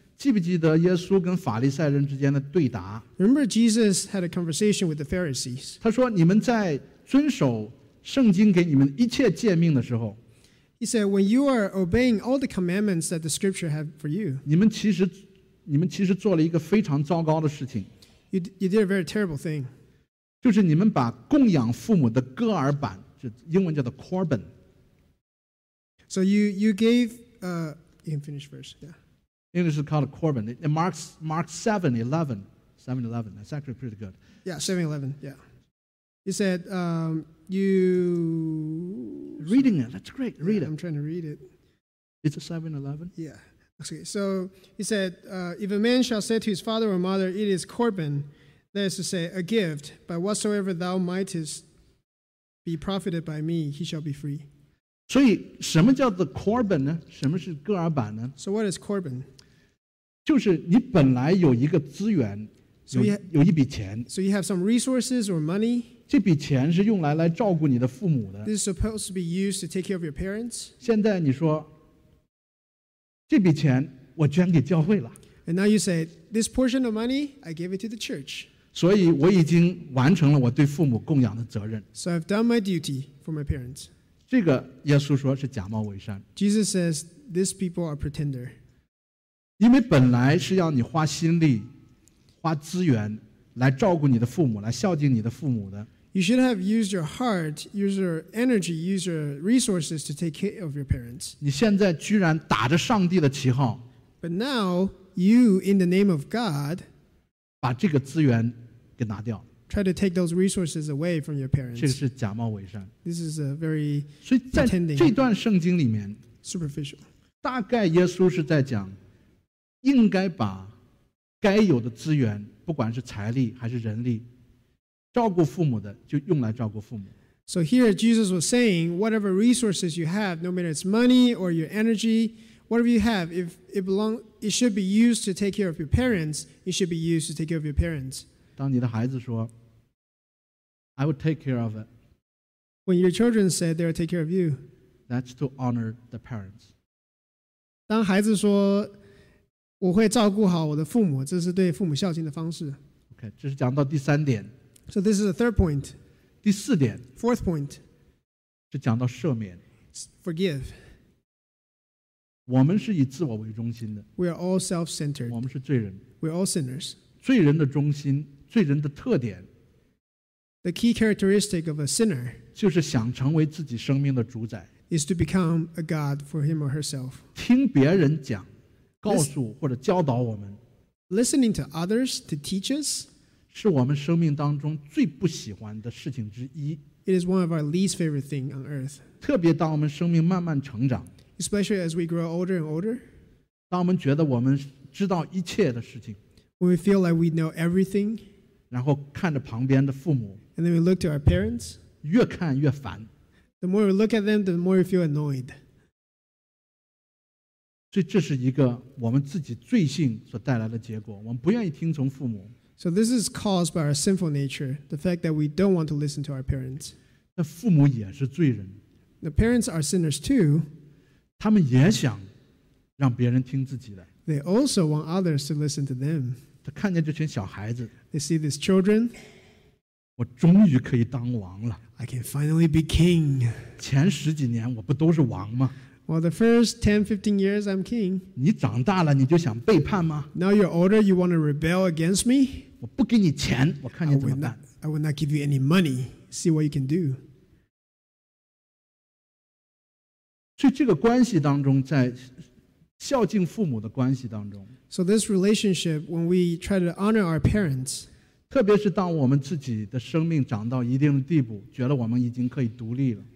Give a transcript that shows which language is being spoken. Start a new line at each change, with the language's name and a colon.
Chinese: 记不记得耶稣跟法利赛人之间的对答
English: Remember Jesus had a conversation with the Pharisees.
Chinese: 他说你们在遵守圣经给你们一切诫命的时候
English: He said when you are obeying all the commandments that the scripture have for you
Chinese: 你们其实做了一个非常糟糕的事情
English: You did a very terrible thing.
Chinese: 就是你们把供养父母的戈尔板就英文叫做 Corban.
English: So you gave you can finish first, yeah. English is called a Corban. It marks Mark 7:11. 7:11. That's actually pretty good. Yeah, 7:11. Yeah. He said, you... Reading it. That's great. Read it. I'm trying to read it. It's a 7:11? Yeah. Okay. So he said, if a man shall say to his father or mother, it is Corban, that is to say, a gift, by whatsoever thou mightest be profited by me, he shall be free.
Chinese: 所以什么叫做 Corban 呢？什么是戈尔板呢？
English: So what is Corban?
Chinese: 就是你本来有一个资源 有一笔钱
English: So you have some resources or money
Chinese: 这笔钱是用来照顾你的父母的
English: This is supposed to be used to take care of your parents
Chinese: 现在你说这笔钱我捐给教会了
English: And now you say this portion of money I gave it to the church
Chinese: 所以我已经完成了我对父母供养的责任
English: So I've done my duty for my parents
Chinese: 这个耶稣说是假冒伪善
English: Jesus says these people are pretenders
Chinese: 因为本来是要你花心力花资源来照顾你的父母来孝敬你的父母的
English: You should have used your heart, used your energy, used your resources to take care of your parents.
Chinese: 你现在居然打着上帝的旗号。
English: But now, you, in the name of God,
Chinese: 把这个资源给拿掉。
English: Try to take those resources away from your parents.
Chinese: 这个是假冒伪善。
English: This is a very pretending.
Chinese: 所以在这段圣经里面
English: superficial.
Chinese: 大概耶稣是在讲应该把该有的资源不管是财力还是人力照顾父母的就用来照顾父母。
English: So here Jesus was saying, whatever resources you have, no matter it's money or your energy, whatever you have, if it belongs, it should be used to take care of your parents, it should be used to take care of your parents.
Chinese: 当你的孩子说
English: I will take care of it. When your children say they will take care of you. That's to honor the parents.
Chinese: 当孩子说我会照顾好我的父母，这是对父母孝敬的方式。 OK, 这是讲到第三点。
English: So this is the third point.
Chinese: 第四点
English: Fourth point.
Chinese: 是讲到赦免。
English: Forgive.
Chinese: 我们是以自我为中心的。
English: We are all self-centered.
Chinese: 我们是罪人。
English: We are all sinners.
Chinese: 罪人的中心，罪人的特点。
English: The key characteristic of a sinner.
Chinese: 就是想成为自己生命的主宰。
English: Is to become a god for him or herself.
Chinese: 听别人讲，告诉或者教导我们。
English: Listening to others to teach us.
Chinese: 是我们生命当中最不喜欢的事情之一。
English: It is one of our least favorite things on earth.
Chinese: 特别当我们生命慢慢成长。
English: Especially as we grow older and older.
Chinese: 当我们觉得我们知道一切的事情。
English: When we feel like we know everything.
Chinese: 然后看着旁边的父母。
English: And then we look to our parents.
Chinese: 越看越烦。
English: The more we look at them, the more we feel annoyed.
Chinese: 所以这是一个我们自己罪性所带来的结果。我们不愿意听从父母。
English: So this is caused by our sinful nature, the fact that we don't want to listen to our parents.
Chinese: 那父母也是罪人。
English: The parents are sinners too.
Chinese: 他们也想让别人听自己的。
English: They also want others to listen to them.
Chinese: 他看见这群小孩子。
English: They see these children.
Chinese: 我终于可以当王了。
English: I can finally be king.
Chinese: 前十几年我不都是王吗？
English: Well, the first 10, 15 years, I'm king.
Chinese: 你长大了，你就想背叛吗？
English: Now you're older, you want to rebel against me?
Chinese: 我不给你钱，我看你怎么办。
English: I will not give you any money. See what you can do.
Chinese: 所以这个关系当中，在孝敬父母的关系当中。
English: So this relationship, when we try to honor our parents,
Chinese: 特别是当我们自己的生命长到一定的地步，觉得我们已经可以独立了。